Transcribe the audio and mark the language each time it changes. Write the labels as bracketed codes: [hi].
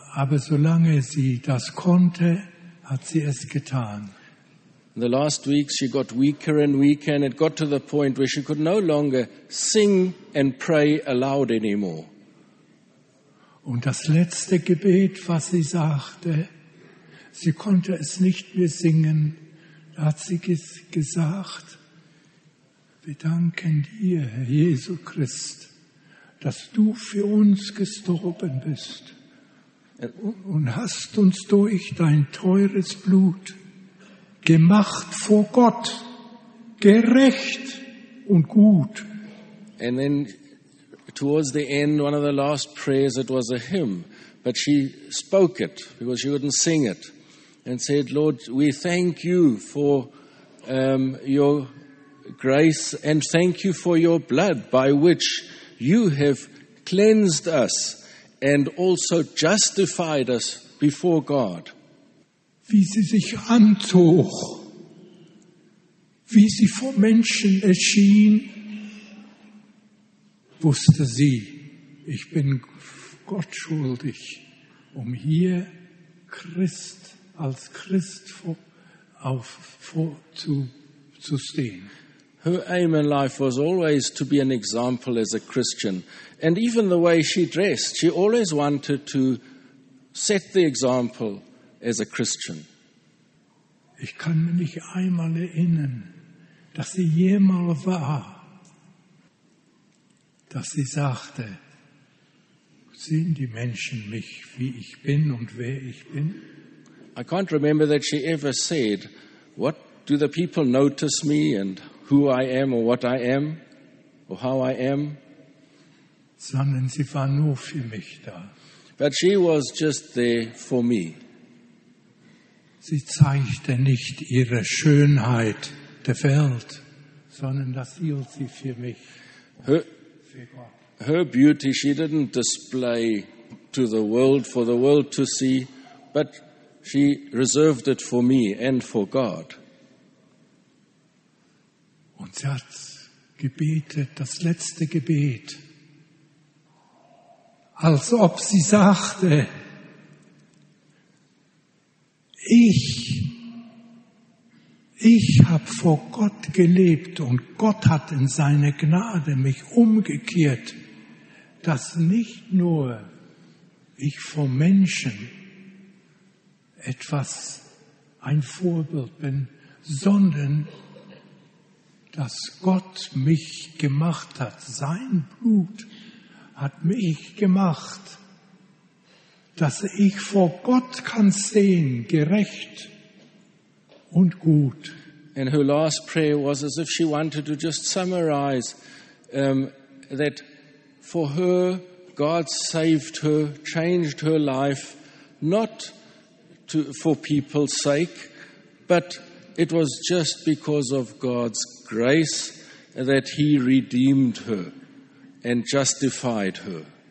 [de] aber solange sie das konnte, hat sie es getan. [en] In the last weeks she got weaker and weaker and it got to the point where she could no longer sing and pray aloud anymore. [de] Und das letzte Gebet, was sie sagte, sie konnte es nicht mehr singen, da hat sie gesagt, wir danken dir, Herr Jesu Christ, dass du für uns gestorben bist und hast uns durch dein teures Blut gemacht vor Gott, gerecht und gut. [en] And then towards the end, one of the last prayers, it was a hymn, but she spoke it because she wouldn't sing it and said, Lord, we thank you for your grace and thank you for your blood by which you have cleansed us and also justified us before God. [de] Wie sie sich anzog, wie sie vor Menschen erschien, wusste sie, ich bin Gott schuldig, um hier Christ als Christ vor zu stehen. [en] Her aim in life was always to be an example as a Christian. And even the way she dressed, she always wanted to set the example as a Christian. [de] Ich kann mich nicht einmal erinnern, dass sie jemals war, dass sie sagte, sehen die Menschen mich, wie ich bin und wer ich bin? [en] I can't remember that she ever said, what do the people notice me and who I am or what I am or how I am? [de] Sondern sie war nur für mich da. [en] But she was just there for me. [de] Sie zeigte nicht ihre Schönheit der Welt, sondern das hielt sie für mich. [en] Her beauty she didn't display to the world for the world to see, but she reserved it for me and for God. [de] Und sie hat gebetet, das letzte Gebet, als ob sie sagte, ich habe vor Gott gelebt und Gott hat in seiner Gnade mich umgekehrt, dass nicht nur ich vor Menschen etwas, ein Vorbild bin, sondern dass Gott mich gemacht hat, sein Blut hat mich gemacht, dass ich vor Gott kann sehen, gerecht und gut. [en] And her last prayer was as if she wanted to just summarize that for her, God saved her, changed her life, not to, for people's sake, but it was just because of God's grace that he redeemed her and justified her.